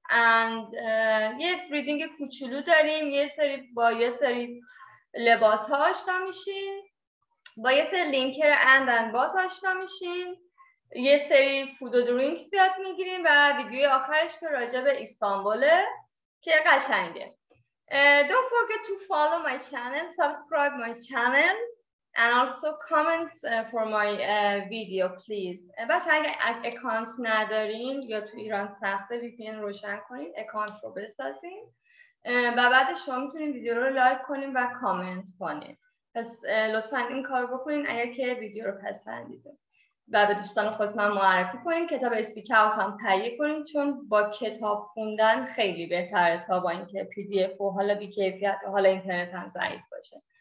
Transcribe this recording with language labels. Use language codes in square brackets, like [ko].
[fa] and یه ریدینگ کوچولو داریم. یه سری با یه سری لباس ها آشنا میشین. با یه سری لینکر and bot آشنا میشین. یه سری فود و درینکس یاد میگیریم و ویدیوی آخرش که راجع به استانبوله که قشنگه. [en] Don't forget to follow my channel, subscribe my channel and also comment for my video please. [fa] بچه اگه اکانت ندارین یا تو ایران سخته VPN روشن کنین، اکانت رو بسازین و بعد شما میتونین ویدیو رو لایک کنین و کامنت کنین. پس لطفا این کار بکنین اگه که ویدیو رو پسندیدین. و به دوستان خودم معرفی کنیم. کتاب اسپیک اوت هم تهیه کنیم، چون با کتاب خوندن خیلی بهتره تا با اینکه پی دی اف و حالا بی کیفیت و حالا اینترنت هم ضعیف باشه.